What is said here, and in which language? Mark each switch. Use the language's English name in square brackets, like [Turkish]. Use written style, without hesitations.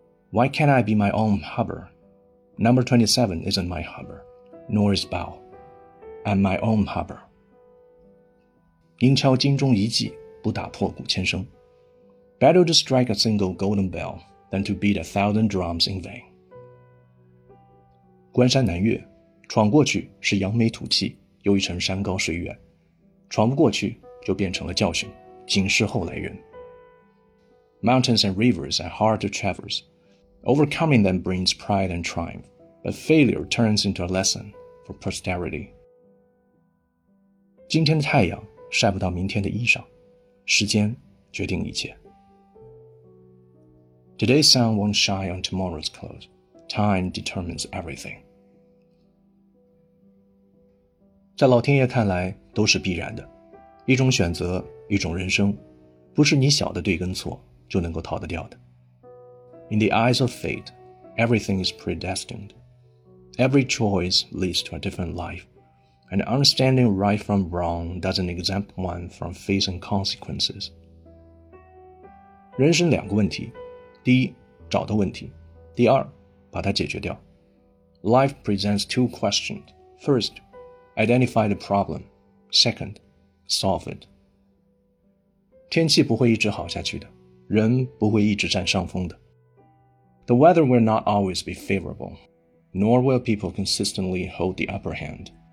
[English] Why can't I be my own harbor? Number 27 isn't my harbor, nor is bow. I'm my own harbor. [Chinese] 宁敲金钟一击，不打破鼓千声。 [English] Better to strike a single golden bell than to beat a thousand drums in vain. [Chinese] 关山难越，闯过去是扬眉吐气，又一程山高水远。闯不过去就变成了教训，警示后来人。 [English] Mountains and rivers are hard to traverse. Overcoming them brings pride and triumph, but failure turns into a lesson for posterity. [Chinese] 今天的太阳晒不到明天的衣裳，时间决定一切。 [English] Today's sun won't shine on tomorrow's clothes. Time determines everything. [Chinese] 在老天爷看来都是必然的，一种选择，一种人生，不是你晓得对跟错就能够逃得掉的。 [English] In the eyes of fate, everything is predestined. Every choice leads to a different life. And understanding right from wrong doesn't exempt one from facing consequences. [Chinese] 人生两个问题，第一，找的问题，第二，把它解决掉。 [English] Life presents two questions. First, identify the problem. Second, solve it. [Chinese] 天气不会一直好下去的，人不会一直占上风的。 [English] The weather will not always be favorable, nor will people consistently hold the upper hand.